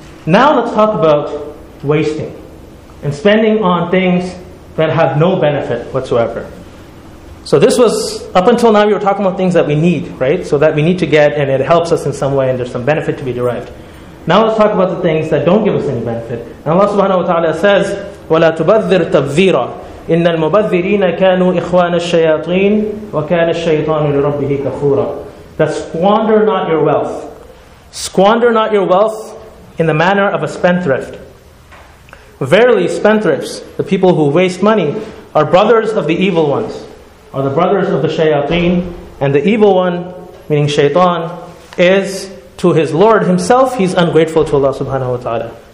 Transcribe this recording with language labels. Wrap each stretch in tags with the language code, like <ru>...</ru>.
<en>Now let's talk about wasting and spending on things that have no benefit whatsoever. So this was, up until now, we were talking about things that we need, right? So that we need to get and it helps us in some way and there's some benefit to be derived. Now let's talk about the things that don't give us any benefit. And Allah subhanahu wa ta'ala says,</en> <ar>وَلَا تُبَذِّرْ تَبْذِيرًا إِنَّ الْمُبَذِّرِينَ كَانُوا إِخْوَانَ الشَّيَاطِينَ وَكَانَ الشَّيْطَانُ لِرَبِّهِ كَفُورًا.</ar> <en>That squander not your wealth. Squander not your wealth in the manner of a spendthrift. Verily, spendthrifts, the people who waste money, are brothers of the evil ones. Are the brothers of the shayateen, and the evil one, meaning shaytan, is to his Lord himself, he's ungrateful to Allah subhanahu wa ta'ala.</en>